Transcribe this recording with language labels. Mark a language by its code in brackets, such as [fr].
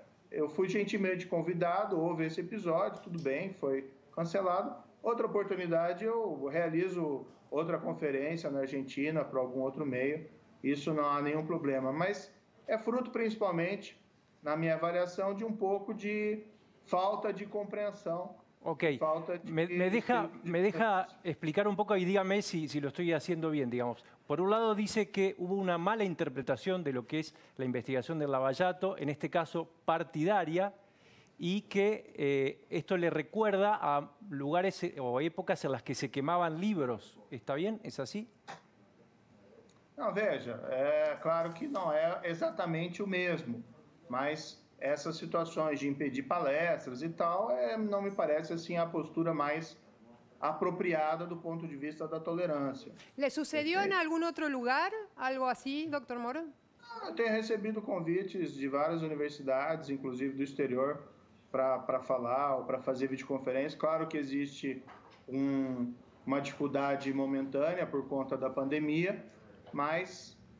[pt] Eu fui gentilmente convidado, houve esse episódio, tudo bem, foi cancelado. Outra oportunidade, eu realizo outra conferência na Argentina para algum outro meio, isso não há nenhum problema. Mas é fruto, principalmente, na minha avaliação, de um pouco de falta de compreensão. [es] Ok, me deja explicar un poco y dígame si lo estoy haciendo bien, digamos. Por un lado dice que hubo una mala interpretación de lo que es la investigación del Lavallato, en este caso partidaria, y que esto le recuerda a lugares o épocas en las que se quemaban libros. ¿Está bien? ¿Es así? [pt] No, veja, claro que [es] no es exactamente lo mismo, [pt] mas essas situações de impedir palestras e tal, não me parece assim a postura mais apropriada do ponto de vista da tolerância. [es] Le sucedió en algún otro lugar algo así, doctor Moro? [pt] Eu tenho recebido convites de várias universidades, inclusive do exterior, para falar ou para fazer videoconferência. Claro que existe uma dificuldade momentânea por conta da pandemia, mas...